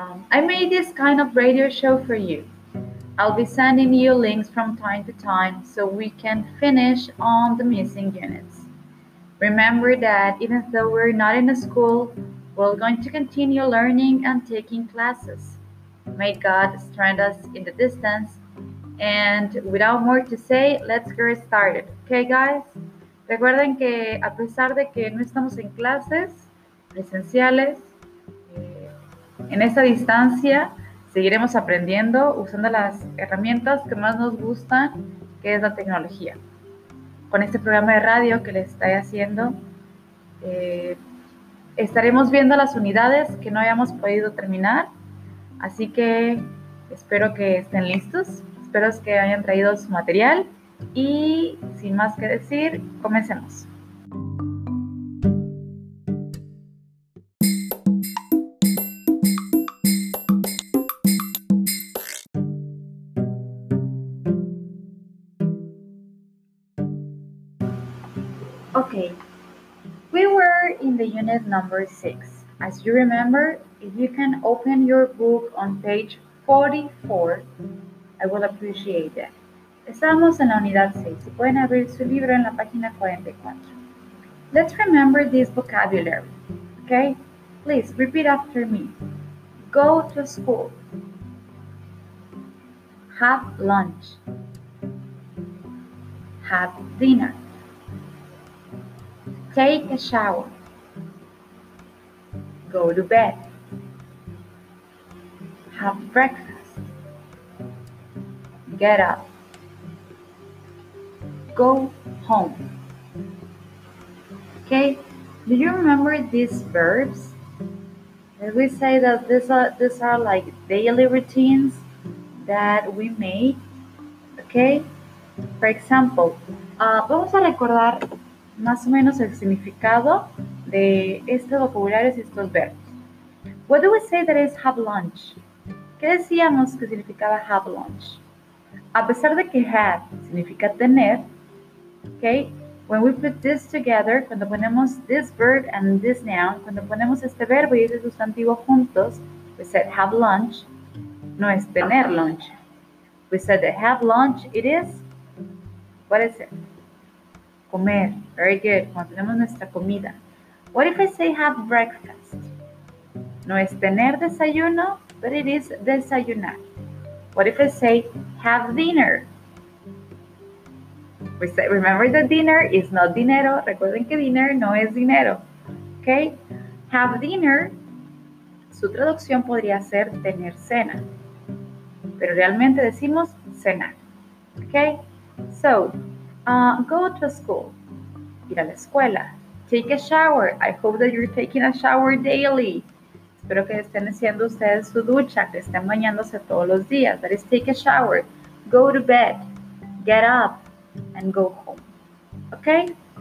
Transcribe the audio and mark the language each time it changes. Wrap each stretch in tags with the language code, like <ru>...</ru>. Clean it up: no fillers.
<en>I made this kind of radio show for you. I'll be sending you links from time to time so we can finish on the missing units. Remember that even though we're not in a school, we're going to continue learning and taking classes. May God strengthen us in the distance. And without more to say, let's get started. Okay, guys?</en> <es>Recuerden que a pesar de que no estamos en clases presenciales, en esta distancia seguiremos aprendiendo usando las herramientas que más nos gustan, que es la tecnología. Con este programa de radio que les estoy haciendo, estaremos viendo las unidades que no hayamos podido terminar. Así que espero que estén listos. Espero que hayan traído su material y sin más que decir, comencemos.</es> <en>Okay, we were in the unit number 6. As you remember, if you can open your book on page 44, I will appreciate that.</en> <es>Estamos en la unidad 6. Si pueden abrir su libro en la página 44.</es> <en>Let's remember this vocabulary, okay? Please, repeat after me. Go to school. Have lunch. Have dinner. Take a shower. Go to bed. Have breakfast. Get up. Go home. Okay, do you remember these verbs? Did we say that these are like daily routines that we make? Okay, for example,</en> <es>vamos a recordar más o menos el significado de este vocabulario y estos verbos.</es> <en>What do we say that is have lunch?</en> <es>¿Qué decíamos que significaba have lunch? A pesar de que have significa tener, okay,</es> <en>when we put this together,</en> <es>cuando ponemos</es> <en>this verb and this noun,</en> <es>cuando ponemos este verbo y este sustantivo juntos,</es> <en>we said have lunch,</en> <es>no es tener lunch.</es> <en>We said that have lunch, it is, what is it? Comer, very good,</en> <es>cuando tenemos nuestra comida.</es> <en>What if I say have breakfast?</en> <es>No es tener desayuno,</es> <en>but it is</en> <es>desayunar.</es> <en>What if I say have dinner? We say, remember that dinner is not dinero.</en> <es>Recuerden que dinner no es dinero. Okay? Have dinner, su traducción podría ser tener cena. Pero realmente decimos cenar.</es> <en>Okay? So, go to school.</en> <es>Ir a la escuela.</es> <en>Take a shower. I hope that you're taking a shower daily.</en> <es>Espero que estén haciendo ustedes su ducha, que estén bañándose todos los días.</es> <en>That is, take a shower, go to bed, get up, and go home. Okay?</en>